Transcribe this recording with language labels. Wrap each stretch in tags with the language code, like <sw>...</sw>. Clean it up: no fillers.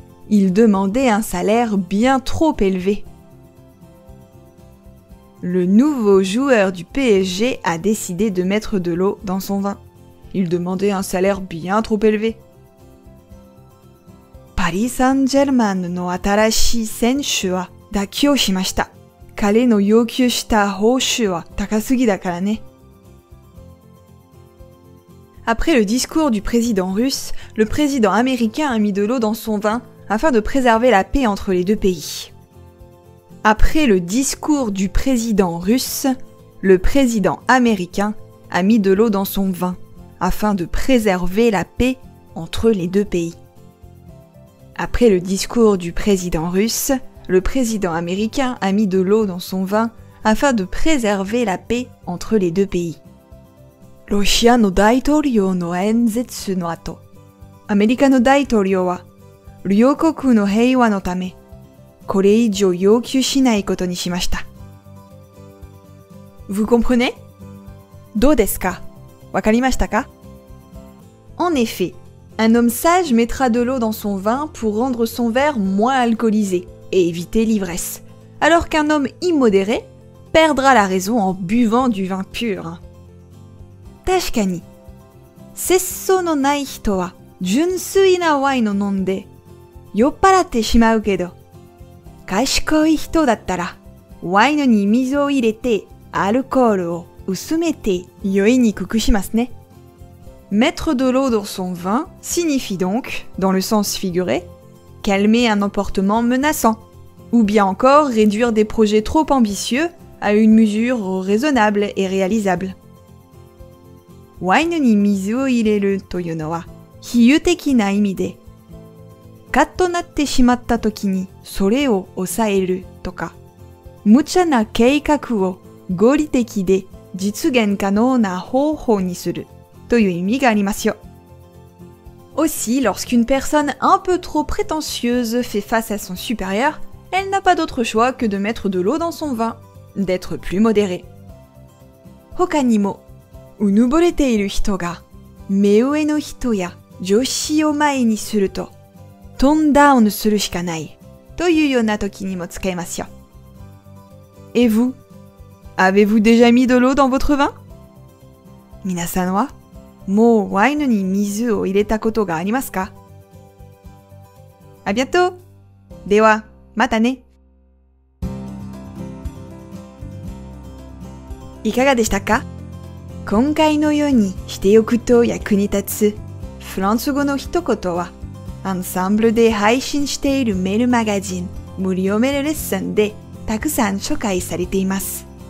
<fr>Il demandait un salaire bien trop élevé. Le nouveau joueur du PSG a décidé de mettre de l'eau dans son vin. Il demandait un salaire bien trop élevé.</fr> <ja>Paris Saint-Germain の新しい選手は妥協しました。彼の要求した報酬は高すぎだからね。</ja> <fr>Après le discours du président russe, le président américain a mis de l'eau dans son vin afin de préserver la paix entre les deux pays. Après le discours du président russe, le président américain a mis de l'eau dans son vin afin de préserver la paix entre les deux pays. Après le discours du président russe, le président américain a mis de l'eau dans son vin afin de préserver la paix entre les deux pays.</fr> <ja>ロシアの大統領の演説の後、アメリカの大統領は、両国の平和のため、これ以上要求しないことにしました。</ja> <fr>Vous comprenez?</fr> <ja>どうですか?わかりましたか?</ja> <fr>En effet, un homme sage mettra de l'eau dans son vin pour rendre son verre moins alcoolisé et éviter l'ivresse, alors qu'un homme immodéré perdra la raison en buvant du vin pur.</fr> <ja>確かに。節操のない人は純粋なワインを飲んで酔っ払ってしまうけど、賢い人だったら、ワインに水を入れて、アルコールを薄めて酔いにくくしますね。</ja> <fr>Mettre de l'eau dans son vin signifie donc, dans le sens figuré, calmer un emportement menaçant, ou bien encore réduire des projets trop ambitieux à une mesure raisonnable et réalisable.</fr> <ja>ワインに水を入れるというのは比喩的な意味で、カッとなってしまった時にそれを抑えるとか、無茶な計画を合理的で実現可能な方法にするという意味がありますよ。</ja> <fr>Aussi, lorsqu'une personne un peu trop prétentieuse fait face à son supérieur, elle n'a pas d'autre choix que de mettre de l'eau dans son vin, d'être plus modérée.</fr> <ja>他にも、うぬぼれている人が、目上の人や上司を前にすると、トーンダウンするしかない、というような時にも使えますよ。</ja> <fr>Et vous? Avez-vous déjà mis de l'eau dans votre vin?</fr> <ja>皆さんは、もうワインに水を入れたことがありますか？</ja> <fr>À bientôt!</fr> <ja>では、またね。いかがでしたか？今回のようにしておくと役に立つフランス語の一言は、アンサンブルで配信しているメールマガジン無料メールレッスンでたくさん紹介されています。</ja>